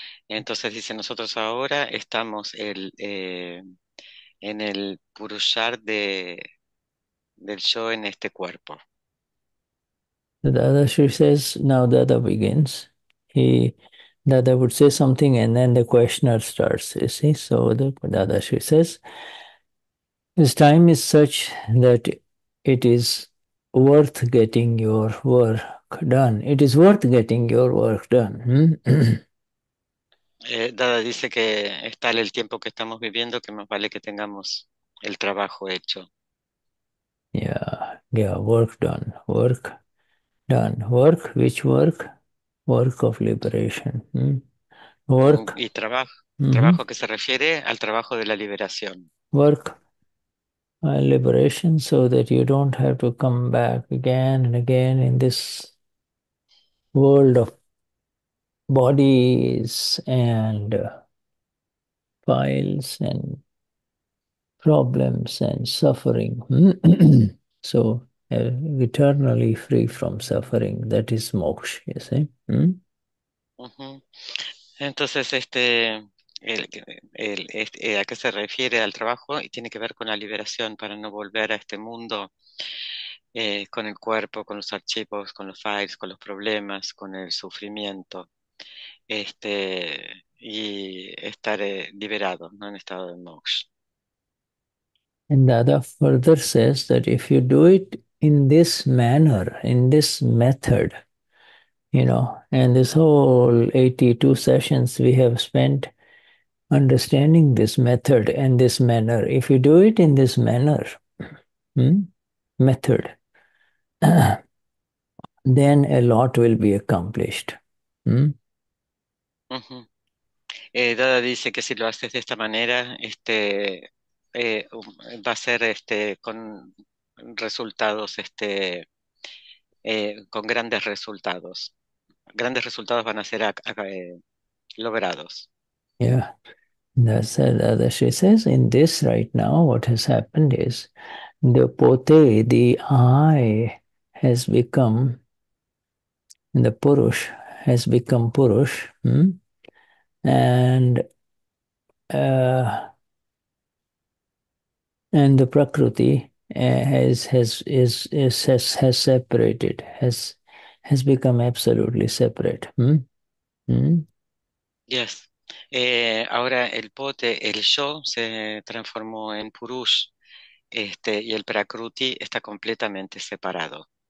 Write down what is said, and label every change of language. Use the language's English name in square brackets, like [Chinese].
[Spanish] Entonces dice, nosotros ahora estamos en el Purushart del yo en este cuerpo. [English] The Dada Sri says, now Dada begins. He Dada would say something and then the questioner starts, you see. So the Dada Sri says, this time is such that it is worth getting your work done. It is worth getting your work done. [Spanish] Dada dice que es tal el tiempo que estamos viviendo que más vale que tengamos el trabajo hecho. [English] Yeah, work done. Work. Done. Work, which work? Work of liberation. Work. [Spanish] Y trabajo que se refiere al trabajo de la liberación. [English] Work. Liberation so that you don't have to come back again and again in this world of bodies and files and problems and suffering. So, eternally free from suffering, that is moksha, you see. [Spanish] Entonces, ¿a qué se refiere al trabajo? Y tiene que ver con la liberación para no volver a este mundo con el cuerpo, con los archivos, con los files, con los problemas, con el sufrimiento, y estar liberado, ¿no? En estado de moksha. [English] And Dada further says that if you do it in this manner, in this method, and this whole 82 sessions we have spent understanding this method and this manner. If you do it in this manner, method, then a lot will be accomplished. [Spanish] Dada dice que si lo haces de esta manera, va a ser con resultados, con grandes resultados. Grandes resultados van a ser logrados. [English] Yeah, that's that she says in this right now, what has happened is the pote, the I, has become the Purush, has become Purush, and And the Prakriti has separated, has become absolutely separate. Yes. [Spanish] Ahora el pote, el yo, se transformó en Purush, y el Prakruti está completamente separado.